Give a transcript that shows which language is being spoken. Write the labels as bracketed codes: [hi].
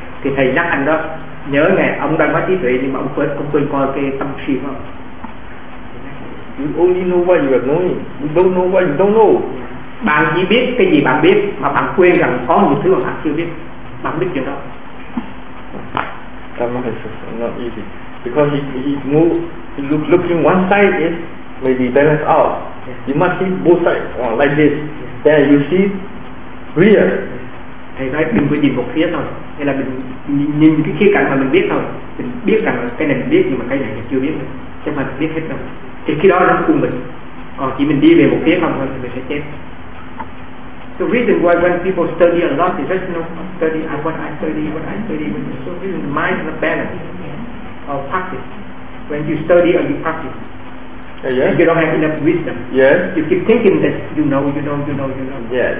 [vi] Thì thầy nhắc anh đó, nhớ ngày ông đang nói trí tuệ nhưng mà ông quên coi cái tâm trí không. [en] You only know what you are knowing. You don't know what you don't know. [vi] Bạn chỉ biết cái gì bạn biết, mà bạn quên rằng có nhiều thứ mà bạn chưa biết. Bạn biết chuyện đó. [en] That one is not easy. Because he looking one side is maybe balance out. Yeah. You must see both sides like this. Yeah. Then you see real. [vi] Thầy nói mình vừa nhìn một phía thôi, hay là mình nhìn cái khía cạnh mà mình biết thôi. Mình biết rằng cái này mình biết, nhưng mà cái này mình chưa biết. Chứ mà biết hết đâu. Thì khi đó nó cùng mình. Còn chỉ mình đi về một phía không thôi thì mình sẽ chết. [en] The reason why when people study a lot is just, you know, study what I study, so the mind is a balance of practice. When you study or you practice, Yes. You don't have enough wisdom. Yes. You keep thinking that you know. Yes.